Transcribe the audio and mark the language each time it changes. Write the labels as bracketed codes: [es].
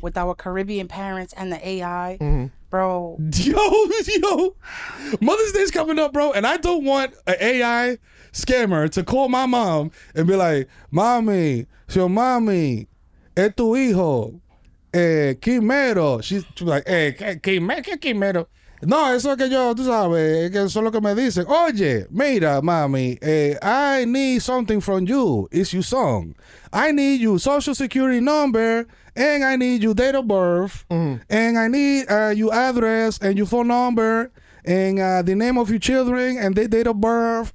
[en] With our Caribbean parents and the AI. Bro. Yo. Mother's Day's coming up, bro, and I don't want an AI scammer to call my mom and be like, mommy, so mommy, [es] es tu hijo, [en] Quimero. She's like, Quimero. [es] No, eso que yo, tú sabes, que eso es lo que me dicen. Oye, mira, mami, [en] I need something from you. It's your song. I need your social security number, and I need your date of birth, and I need your address and your phone number, and the name of your children and their date of birth.